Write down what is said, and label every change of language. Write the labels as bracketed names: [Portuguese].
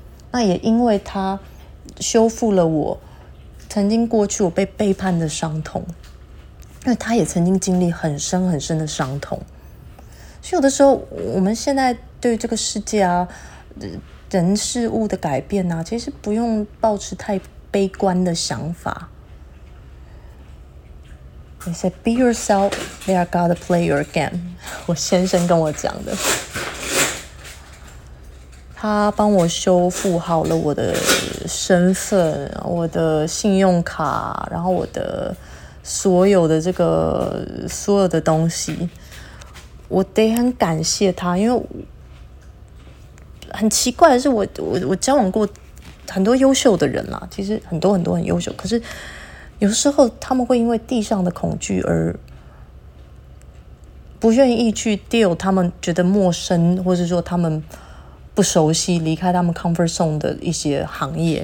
[Chinese] 那也因为他修复了我曾经过去我被背叛的伤痛，因为他也曾经经历很深很深的伤痛。所以有的时候我们现在对这个世界啊人事物的改变啊，其实不用抱持太悲观的想法。 [English] He said be yourself, they are gonna play your game， [Chinese] 我先生跟我讲的。他帮我修复好了我的身份，我的信用卡，然后我的所有的这个所有的东西，我得很感谢他。因为很奇怪的是，我交往过很多优秀的人啦，其实很多很多很优秀，可是有时候他们会因为地上的恐惧而不愿意去 deal 他们觉得陌生或是说他们不熟悉离开他们 comfort zone 的一些行业。